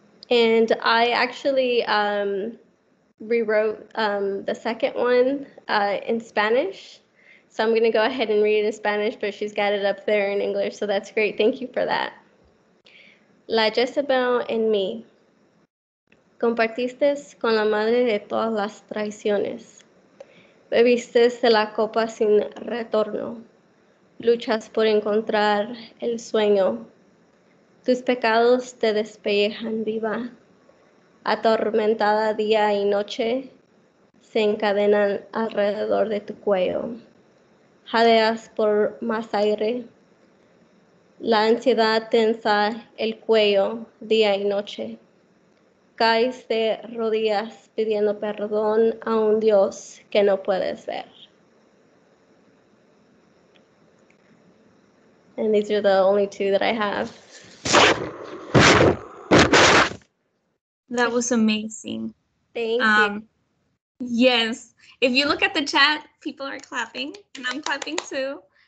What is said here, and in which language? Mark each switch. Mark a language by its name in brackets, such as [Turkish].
[English] And I actually rewrote the second one in Spanish. So I'm going to go ahead and read it in Spanish, but she's got it up there in English, so that's great. Thank you for that. [Spanish] La Jezebel en mí. Compartiste con la madre de todas las traiciones. Bebiste de la copa sin retorno. Luchas por encontrar el sueño. Tus pecados te despellejan viva. Atormentada día y noche, se encadenan alrededor de tu cuello. Jadeas por más aire. La ansiedad tensa el cuello día y noche. Caes de rodillas pidiendo perdón a un Dios que no puedes ver. [English] And these are the only two that I have. That was amazing. Thank you. Yes. If you look at the chat, people are clapping, and I'm clapping too.